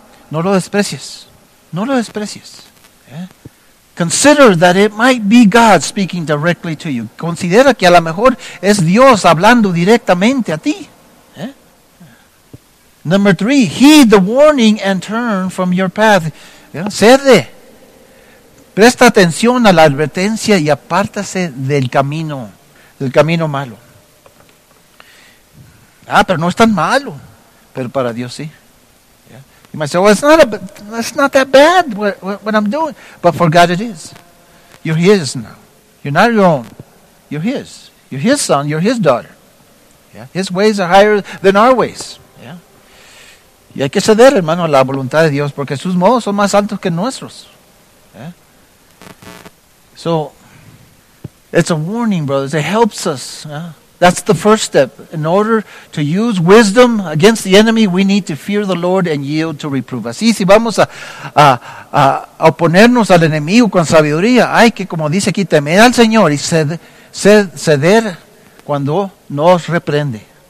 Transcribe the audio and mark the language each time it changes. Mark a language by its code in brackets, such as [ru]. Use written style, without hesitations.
[es] No lo desprecies. No lo desprecies. Yeah. [en] Consider that it might be God speaking directly to you. [es] Considera que a lo mejor es Dios hablando directamente a ti. ¿Eh? [en] Number three, heed the warning and turn from your path. [es] ¿Eh? Cede. Presta atención a la advertencia y apártase del camino malo. Ah, pero no es tan malo. Pero para Dios sí. [en] You might say, well, it's not that bad what I'm doing. But for God it is. You're his now. You're not your own. You're his. You're his son. You're his daughter. Yeah. His ways are higher than our ways. Yeah. [es] Y hay que ceder, hermano, a la voluntad de Dios porque sus modos son más altos que nuestros. [en] Yeah. So, it's a warning, brothers. It helps us. Yeah. That's the first step. In order to use wisdom against the enemy, we need to fear the Lord and yield to reproof. [es] Así, si vamos a oponernos al enemigo con sabiduría, hay que, como dice aquí, temer al Señor y ceder cuando nos reprende.